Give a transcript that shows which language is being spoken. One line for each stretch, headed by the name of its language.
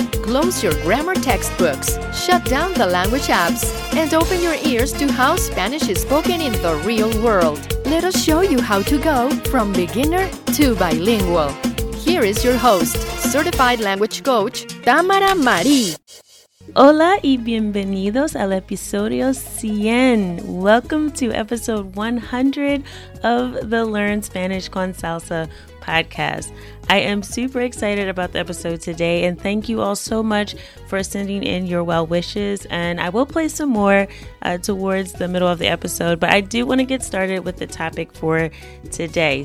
English: Close your grammar textbooks, shut down the language apps, and open your ears to how Spanish is spoken in the real world. Let us show you how to go from beginner to bilingual. Here is your host, certified language coach, Tamara Marie.
Spanish: Hola y bienvenidos al episodio 100.
English: Welcome to episode 100 of the Learn Spanish con Salsa podcast. I am super excited about the episode today, and thank you all so much for sending in your well wishes. And I will play some more towards the middle of the episode, but I do want to get started with the topic for today.